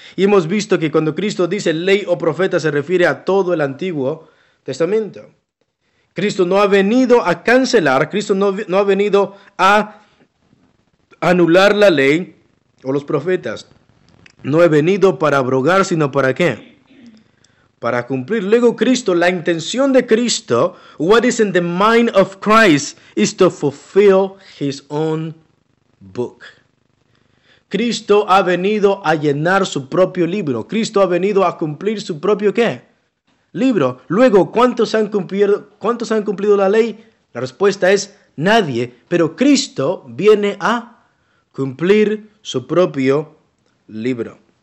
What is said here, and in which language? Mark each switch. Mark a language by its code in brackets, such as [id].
[es] Y hemos visto que cuando Cristo dice ley o profeta, se refiere a todo el Antiguo Testamento. Cristo no ha venido a cancelar, Cristo no ha venido a anular la ley o los profetas. No he venido para abrogar, sino ¿para qué? Para cumplir. Luego Cristo, la intención de Cristo, [en] what is in the mind of Christ, is to fulfill his own book. [es] Cristo ha venido a llenar su propio libro. Cristo ha venido a cumplir su propio ¿qué? Libro. Luego, ¿cuántos han cumplido la ley? La respuesta es nadie. Pero Cristo viene a cumplir su propio libro.